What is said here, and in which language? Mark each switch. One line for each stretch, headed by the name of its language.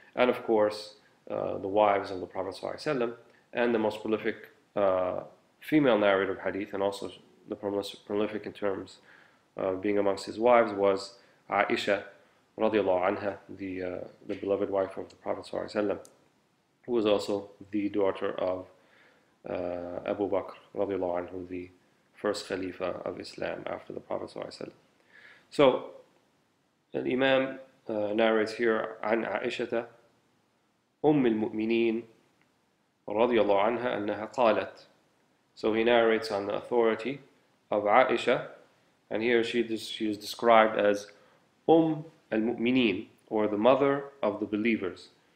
English: And of course, the wives of the Prophet Sallallahu Alaihi Wasallam, and the most prolific female narrator of hadith, and also the prolific in terms of being amongst his wives, was Aisha radiallahu anha, the beloved wife of the Prophet Sallallahu Alaihi Wasallam, who was also the daughter of Abu Bakr radiallahu anhu, the first Khalifa of Islam after the Prophet Sallallahu Alaihi Wasallam. So an Imam narrates here,
Arabic: عن عائشة أم المؤمنين رضي الله عنها أنها قالت.
English: So he narrates on the authority of Aisha, and here she is described as
Arabic: أم المؤمنين,
English: or the mother of the believers.